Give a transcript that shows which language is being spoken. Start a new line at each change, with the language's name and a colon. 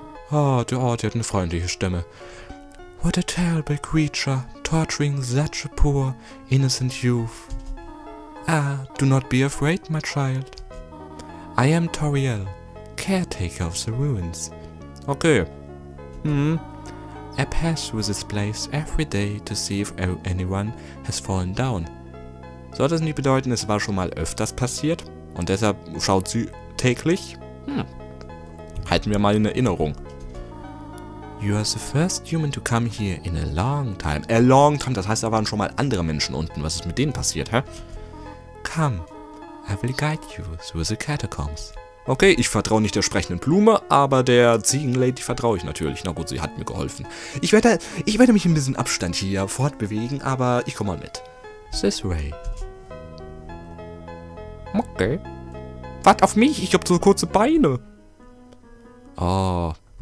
German: Oh, die hat eine freundliche Stimme.
English: What a terrible creature, torturing such a poor, innocent youth. Ah, do not be afraid, my child. I am Toriel, caretaker of the ruins. Okay. I pass through this place every day to see if anyone has fallen down.
German: Soll das nicht bedeuten, es war schon mal öfters passiert? Und deshalb schaut sie täglich? Halten wir mal in Erinnerung.
English: You are the first human to come here in a long time. A long time,
German: das heißt, da waren schon mal andere Menschen unten. Was ist mit denen passiert, hä?
English: Come, I will guide you through the catacombs.
German: Okay, ich vertraue nicht der sprechenden Blume, aber der Ziegenlady vertraue ich natürlich. Na gut, sie hat mir geholfen. Ich werde mich ein bisschen Abstand hier fortbewegen, aber ich komme mal mit.
English: This way. Okay.
German: Wart auf mich, ich habe so kurze Beine. Oh.